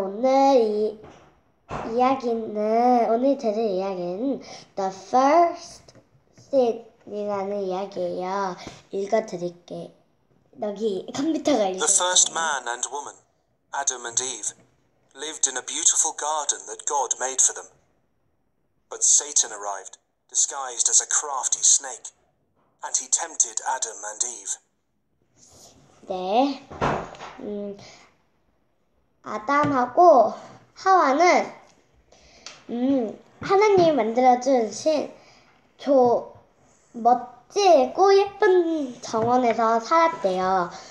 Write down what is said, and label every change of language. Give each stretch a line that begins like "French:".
Korean: 오늘 이 이야기는 오늘 들을 이야기는 The First Sin이라는 이야기예요. 읽어드릴게. 여기 컴퓨터가
English: The first
Korean: 읽어주세요.
English: man and woman, Adam and Eve, lived in a beautiful garden that God made for them. But Satan arrived, disguised as a crafty snake, and he tempted Adam and Eve.
Korean: 네, 아담하고 하와는 하나님이 만들어준 신, 저 멋지고 예쁜 정원에서 살았대요.